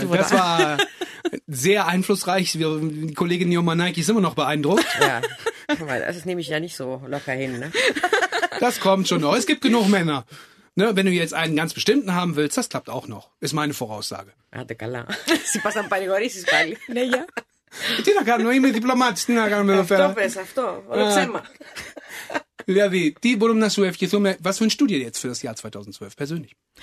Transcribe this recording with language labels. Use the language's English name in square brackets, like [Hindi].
[German] das war sehr einflussreich. Die Kollegin Nioma Nike ist immer noch beeindruckt. Ja, das nehme ich ja nicht so locker hin. Ne? Das kommt schon noch. Es gibt genug Männer. Ne, wenn du jetzt einen ganz bestimmten haben willst, das klappt auch noch. Ist meine Voraussage. [Greek] Ah, de καλά. [German] Sie passen bei den Goris, ne, ja. [Greek] Τι να κάνω, είμαι διπλωμάτης, τι να κάνω εδώ πέρα. Αυτό πες, αυτό, ολοψέμα. Δηλαδή, τι μπορούμε να σου ευχηθούμε, [German] was wünschst du dir jetzt für das Jahr 2012, persönlich?